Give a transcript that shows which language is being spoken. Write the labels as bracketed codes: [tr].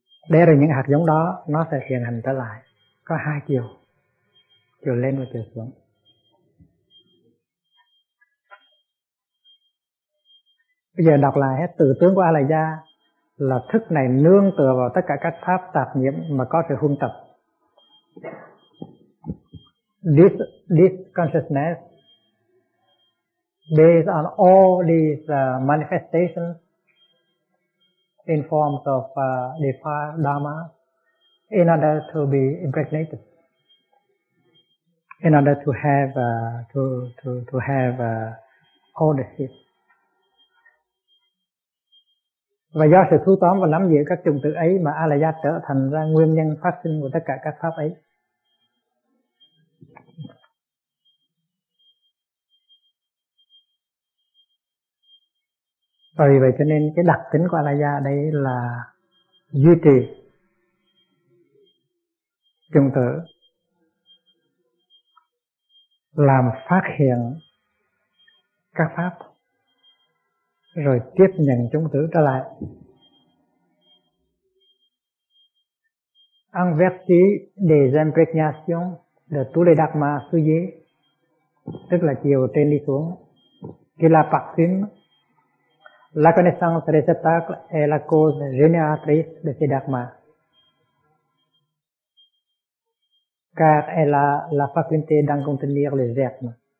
[vi] Để rồi những hạt giống đó nó sẽ hiện hành trở lại. Có hai chiều, chiều lên và chiều xuống. Bây giờ đọc lại hết từ tướng của Alaya. Là thức này nương tựa vào tất cả các pháp tạp nhiễm mà có sự huân tập. [en] This consciousness, based on all these manifestations in forms of defiled dharma, in order to be impregnated, in order to have to have all the seeds. [vi] Và do sự thu tóm và nắm giữ các chủng tử ấy mà Alaya trở thành ra nguyên nhân phát sinh của tất cả các pháp ấy. Và vì vậy cho nên cái đặc tính của Alaya đây là duy trì chủng tử, làm phát hiện các pháp, rồi tiếp nhận chủng tử trở lại. [fr] En vertu des impregnations de tous les dharmas sujets, [vi] tức là chiều trên đi xuống, [fr] qui la parfume, la connaissance réceptacle est la cause génératrice de ces dharmas, car elle a la faculté d'en contenir les germes.